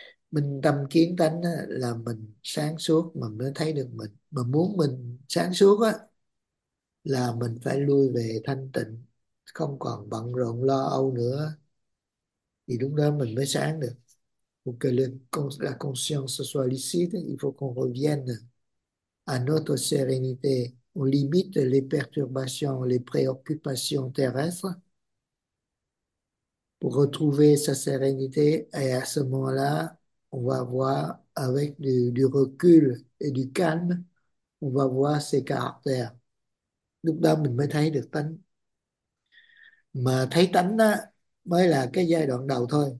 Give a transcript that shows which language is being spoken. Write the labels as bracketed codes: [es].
[vi] Mình tâm kiến tánh là mình sáng suốt mà mới thấy được mình. Mà muốn mình sáng suốt á là mình phải lui về thanh tịnh, không còn bận rộn lo âu nữa, thì lúc đó mình mới sáng được. [fr] Ok, la conscience soit lucide, il faut qu'on revienne à notre sérénité. On limite les perturbations, les préoccupations terrestres pour retrouver sa sérénité. Et à ce moment-là, on va voir avec du recul et du calme, on va voir ses caractères. [vi] Lúc đó mình mới thấy được tánh. Mà thấy tánh á mới là cái giai đoạn đầu thôi.